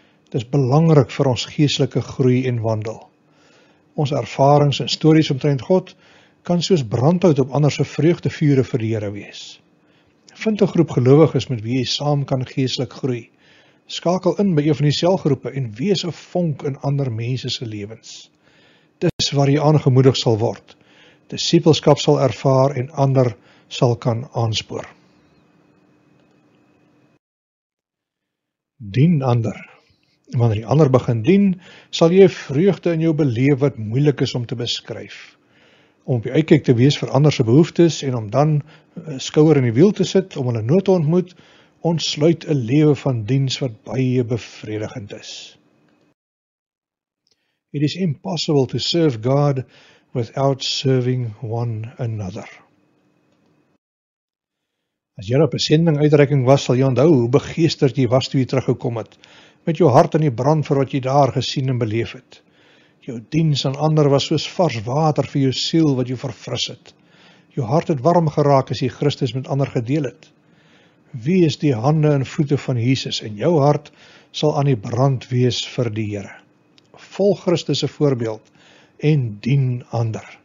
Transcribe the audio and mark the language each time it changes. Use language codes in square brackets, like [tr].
[af] Het is belangrijk vir ons geestelike groei en wandel. Ons ervarings en stories omtrent God kan soos brandhout op anderse vreugde vure vir die Here wees. Vind een groep gelowiges met wie jy saam kan geestelik groei. Skakel in by een van die selgroepe en wees een vonk in ander mense se lewens. Dis waar jy aangemoedig sal word. Disipelskap sal ervaar en ander sal kan aanspoor. Dien ander. Wanneer die ander begin dien, sal jy vreugde in jou beleef wat moeilik is om te beskryf. Om op jou uitkyk te wees vir ander se behoeftes en om dan skouer in die wiel te sit om hulle nood te ontmoet, ontsluit 'n lewe van diens wat baie bevredigend is. [en] It is impossible to serve God without serving one another. [af] As jy op 'n sendinguitreiking was, sal jy onthou hoe begeesterd jy was toe jy teruggekom het, met jou hart in die brand vir wat jy daar gesien en beleef het. Jou diens aan ander was soos vars water vir jou siel wat jou verfris het. Jou hart het warm geraak as jy Christus met ander gedeel het. Wees die hande en voete van Jesus en jou hart sal aan die brand wees vir die Here. Volg Christus se voorbeeld en dien ander.